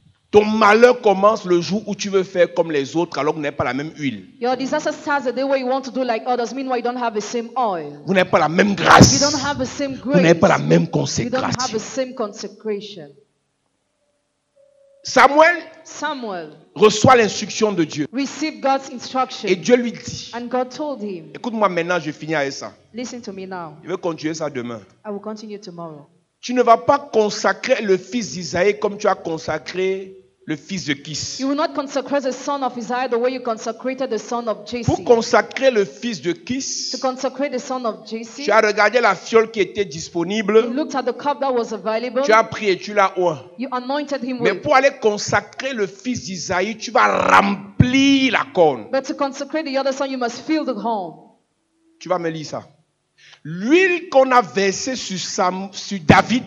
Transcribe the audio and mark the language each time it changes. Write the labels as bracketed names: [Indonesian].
[French] Ton malheur commence le jour où tu veux faire comme les autres alors que vous n'avez pas la même huile. [English] Your disaster starts the day where you want to do like others. Meanwhile, you don't have the same oil. [French] Vous n'avez pas la même grâce. [English] You don't have the same grace. [French] Vous n'avez pas la même consécration. [English] You don't have the same consecration. [French] Samuel reçoit l'instruction de Dieu. [English] Receive God's instruction. [French] Et Dieu lui dit. [English] And God told him. [French] Écoute-moi maintenant, je finis avec ça. [English] Listen to me now. [French] Je vais continuer ça demain. [English] I will continue tomorrow. [French] Tu ne vas pas consacrer le fils d'Isaïe comme tu as consacré le fils de Kish. [English] You will not consecrate the son of Isaiah the way you consecrated the son of Jesse. [French] Pour consacrer le fils de Kish, [English] to consecrate the son of Jesse, [French] tu as regardé la fiole qui était disponible. [English] You looked at the cup that was available. [French] Tu as prié, tu l'as oint. [English] You anointed him. [French] Mais pour aller consacrer le fils d'Isaïe, tu vas remplir la corne. [English] But to consecrate the other son, you must fill the horn. [French] Tu vas me lire ça. L'huile qu'on a versée sur David,